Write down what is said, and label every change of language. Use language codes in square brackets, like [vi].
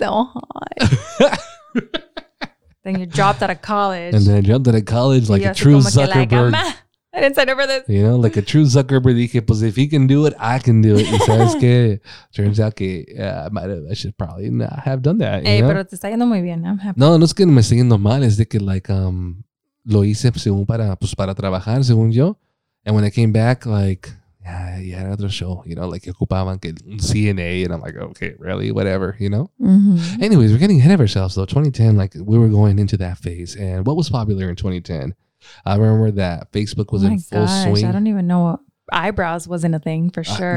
[en] Oh my God, so hot. Then you dropped out of college. And then I jumped out of college like a true Zuckerberg. I didn't sign up for this. You know, like a true Zuckerberg. [es] Dije, pues [en] if he can do it, I can do it. [es] Y sabes que, [en] turns out [es] que [en] I should probably not have done that. Hey, [es] pero te está yendo muy bien. [en] I'm happy. [es] No, no es que me esté yendo mal. Es de que like lo hice según para trabajar, según yo. [en] And when I came back, like, yeah, you had another show, you know, like [es] ocupaban que un [en] CNA, and I'm like, okay, really, whatever, you know? Mm-hmm. Anyways, we're getting ahead of ourselves, though. 2010, like, we were going into that phase, and what was popular in 2010? I remember that Facebook was in full swing. I don't even know what eyebrows wasn't a thing, for sure.